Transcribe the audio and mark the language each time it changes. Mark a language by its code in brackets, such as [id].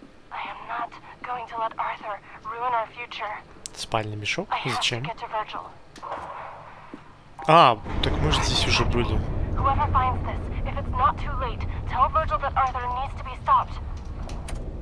[en] I am not going to let Arthur ruin our future. [ru] Спальный мешок? Зачем? [en] I have to get to Virgil. [ru] А, так мы же здесь уже были. [en] Whoever finds this, if it's not too late, tell Virgil that Arthur needs to be stopped.